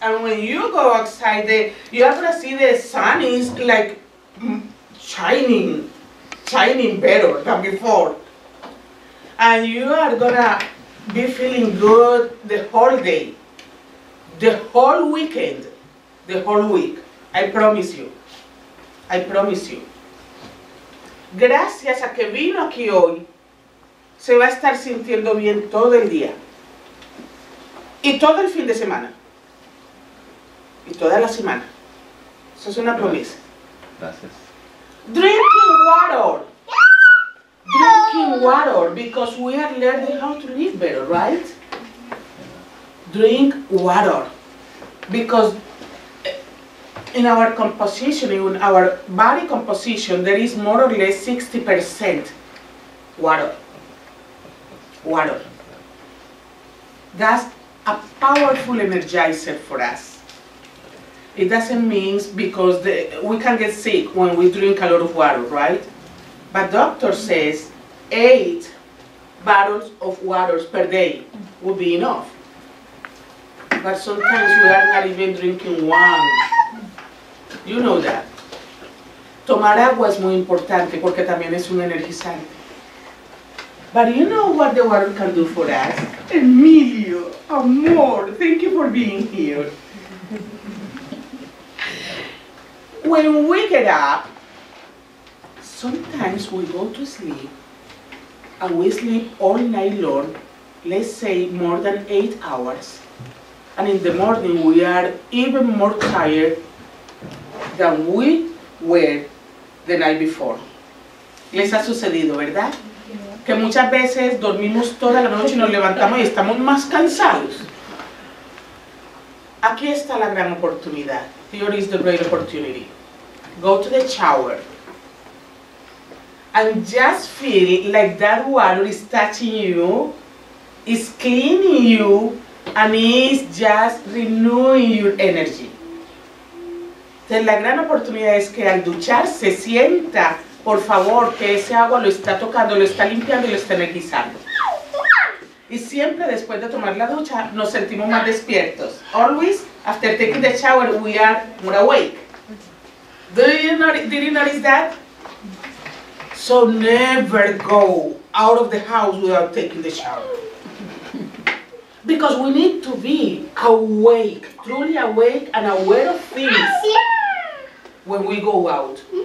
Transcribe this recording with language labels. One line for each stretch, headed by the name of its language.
English: And when you go outside, you are going to see the sun is like shining better than before. And you are going to be feeling good the whole day, the whole weekend, the whole week. I promise you. I promise you.
Spanish: Gracias a que vino aquí hoy, se va a estar sintiendo bien todo el día. Y todo el fin de semana. Y toda la semana. Eso es una promesa. Gracias.
English: Drinking water. Drinking water, because we are learning how to live better, right? Drink water. Because in our composition, in our body composition, there is more or less 60% water. Water. That's a powerful energizer for us. It doesn't mean because we can get sick when we drink a lot of water, right? But doctor says 8 bottles of water per day would be enough. But sometimes we are not even drinking one. You know that.
Spanish: Tomar agua es muy importante porque también es un energizante.
English: But you know what the water can do for us? Emilio, amor, thank you for being here. When we get up, sometimes we go to sleep, and we sleep all night long, let's say more than 8 hours. And in the morning, we are even more tired than we were the night before.
Spanish: Les ha sucedido, ¿verdad? Que muchas veces dormimos toda la noche y nos levantamos y estamos más cansados. Aquí está la gran oportunidad.
English: Here is the great opportunity. Go to the shower. And just feel like that water is touching you, is cleaning you, and is just renewing your energy.
Spanish: Entonces la gran oportunidad es que al ducharse sienta, por favor, que ese agua lo está tocando, lo está limpiando y lo está energizando. Y siempre después de tomar la ducha, nos sentimos más despiertos.
English: Always, after taking the shower, we are more awake. Did you notice that? So never go out of the house without taking the shower. Because we need to be awake, truly awake and aware of things when we go out.